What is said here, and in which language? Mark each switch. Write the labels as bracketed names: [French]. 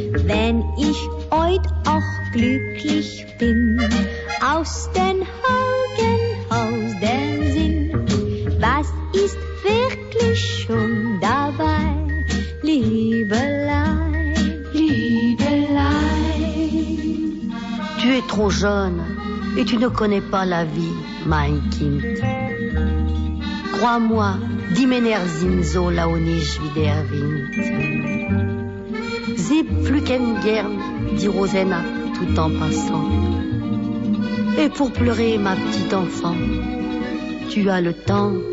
[German] Wenn ich heut auch glücklich bin, aus den Augen, aus dem Sinn, was ist wirklich schon dabei, Liebelei? [French] Tu es trop jeune et tu ne connais pas la vie, [German] mein Kind. [French] Crois-moi, [German] die Männer sind so launisch wie der Wind. Sie pflücken gern die Rosen [French] tout en passant. Et pour pleurer, ma petite enfant, tu as le temps.